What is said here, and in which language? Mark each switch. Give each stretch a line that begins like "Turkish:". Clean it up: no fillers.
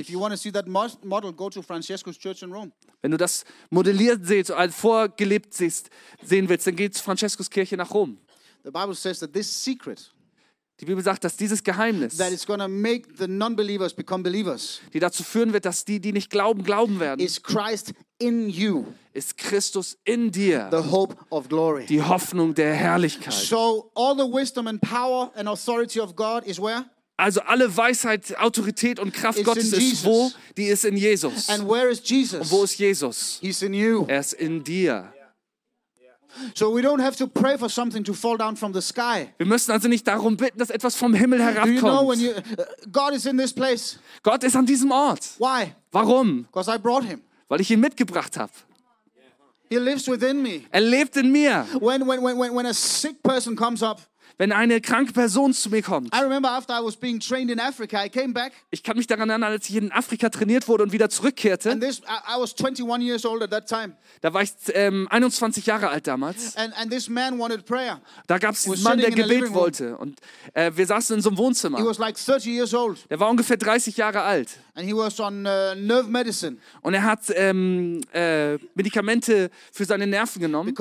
English: If you want to see that model, go to Francesco's church in Rome.
German: Wenn du das modelliert siehst, als vorgelebt siehst, sehen willst, dann geh zu Francescos Kirche nach Rom.
English: The Bible says that this secret,
German: Die Bibel sagt, dass dieses Geheimnis,
English: that it's gonna make the non-believers become believers,
German: die dazu führen wird, dass die, die nicht glauben, glauben werden,
English: is Christ in you,
German: ist Christus in dir,
English: the hope of glory,
German: die Hoffnung der Herrlichkeit.
English: So all the wisdom and power and authority of God is where?
German: Also alle Weisheit, Autorität und Kraft Gottes ist wo? Die ist in Jesus.
English: And where is Jesus?
German: Und wo ist Jesus?
English: He's in you.
German: Er ist in dir.
English: So we don't have to pray for something to fall down from the sky.
German: Wir müssen also nicht darum bitten, dass etwas vom Himmel herabkommt.
English: Do you know when you, God is in this place?
German: Gott ist an diesem Ort.
English: Why?
German: Warum?
English: Because I brought him.
German: Weil ich ihn mitgebracht habe.
English: He lives within me.
German: Er lebt in mir.
English: When a sick person comes up.
German: Wenn eine kranke Person zu mir kommt.
English: I remember after I was being trained in Africa, I came back.
German: Ich kann mich daran erinnern, als ich in Afrika trainiert wurde und wieder zurückkehrte.
English: And this, I was 21 years old at that time.
German: Da war ich 21 Jahre alt damals.
English: And this man wanted prayer.
German: Da gab es einen Mann, der Gebet wollte. Und wir saßen in so einem Wohnzimmer.
English: He was like 30 years old.
German: Der war ungefähr 30 Jahre alt.
English: And he was on nerve medicine.
German: Und er hat Medikamente für seine Nerven genommen.